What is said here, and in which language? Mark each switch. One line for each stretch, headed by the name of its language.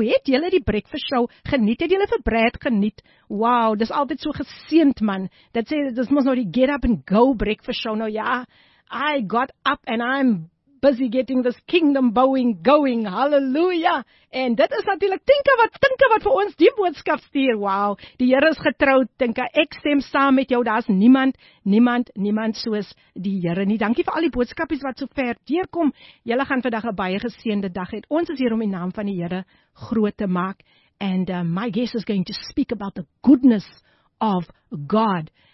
Afrikaans: Het julle die breakfast show geniet? Het julle vir Brad geniet? Wow, dis altyd so geseend, man. Dit sê, dis mos nou die
English: get up and go
Afrikaans: breakfast show. Nou ja,
English: I got up and I'm busy getting this kingdom bowing going. Hallelujah.
Afrikaans: En dit is natuurlik Tinka wat vir ons die boodskap stuur. Wow. Die Here is getrou, Tinka. Ek stem saam met jou. Daar's niemand soos die Here nie. Dankie vir al die boodskapies wat so ver deurkom. Julle gaan vandag 'n baie geseënde dag hê. Ons is hier om die naam van die Here groot te maak.
English: And my guest is going to speak about the goodness of God.